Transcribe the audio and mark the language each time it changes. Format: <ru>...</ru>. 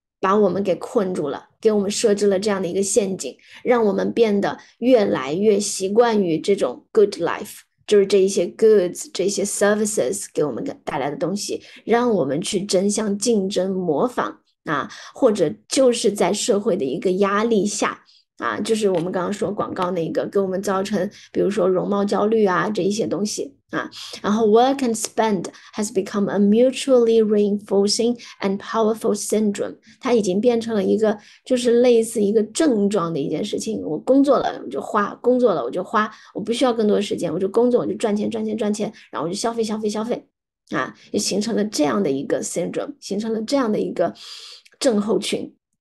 <zh>把我们给困住了，给我们设置了这样的一个陷阱，让我们变得越来越习惯于这种 good life，就是这一些 goods，这些 services 给我们带来的东西，让我们去争相竞争、模仿或者就是在社会的一个压力下就是我们刚刚说广告那个给我们造成，比如说容貌焦虑这一些东西。</zh> <en>然后 work and spend has become a mutually reinforcing and powerful syndrome。</en> <zh>它已经变成了一个，就是类似一个症状的一件事情。我工作了，我就花；工作了，我就花。我不需要更多的时间，我就工作，我就赚钱，赚钱，赚钱，然后我就消费，消费，消费。就形成了这样的一个 syndrome，形成了这样的一个症候群。</zh>